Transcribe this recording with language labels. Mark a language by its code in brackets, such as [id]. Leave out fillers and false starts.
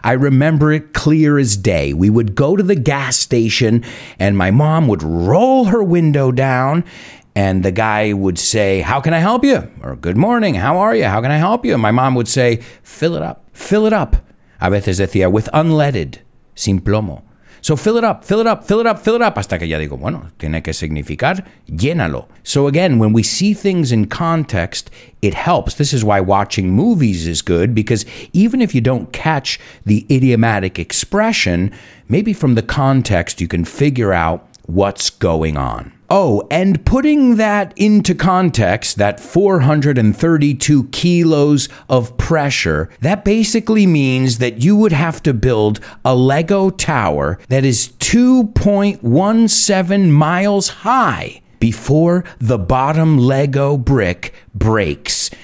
[en] I remember it clear as day. We would go to the gas station and my mom would roll her window down and the guy would say, how can I help you? Or good morning, how are you? How can I help you? And my mom would say, fill it up, fill it up. [es] A veces decía, [en] with unleaded, [es] sin plomo. [en] So fill it up, fill it up, fill it up, fill it up. [es] Hasta que ya digo, bueno, tiene que significar, llénalo. [en] So again, when we see things in context, it helps. This is why watching movies is good, because even if you don't catch the idiomatic expression, maybe from the context you can figure out what's going on. Oh, and putting that into context, that 432 kilos of pressure, that basically means that you would have to build a Lego tower that is 2.17 miles high before the bottom Lego brick breaks.